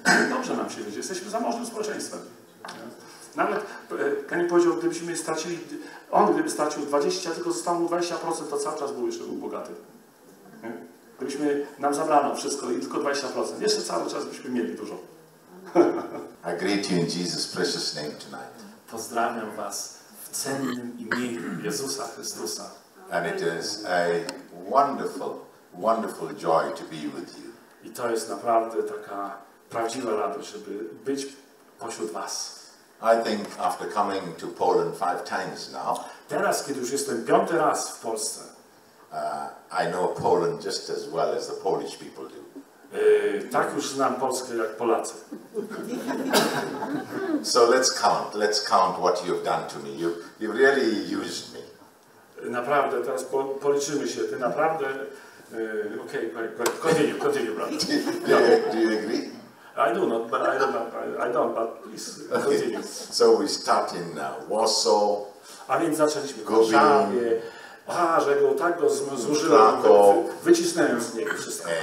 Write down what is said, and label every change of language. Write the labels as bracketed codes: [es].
[pl] Dobrze nam się wiedzieć, jesteśmy zamożnym społeczeństwem. Nie? Nawet Kenny powiedział, gdybyśmy stracili, on gdyby stracił 20, tylko zostało mu 20%, to cały czas był jeszcze był bogaty. Nie? Gdybyśmy, nam zabrano wszystko i tylko 20%, jeszcze cały czas byśmy mieli dużo. [en] I greet you in Jesus' precious name tonight. [pl] Pozdrawiam was w cennym imieniu Jezusa Chrystusa. [en] And it is a wonderful, wonderful joy to be with you. [pl] I to jest naprawdę taka prawdziwa radość, żeby być pośród was. [en] I think after coming to Poland five times now. [pl] Teraz, kiedy już jestem piąty raz w Polsce. [en] I know Poland just as well as the Polish people do. [pl] Tak już znam Polskę jak Polacy. [en] So let's count what you've done to me. You really used me. [pl] Naprawdę, teraz policzymy się. Ty naprawdę, okej, [en] okay, continue, brother. Do you agree? I don't, but please continue. Okay. So we start in Warsaw. [pl] A więc zaczęliśmy w Warszawie. Że go tak go zużyłem, wycisnąłem z niego wszystko.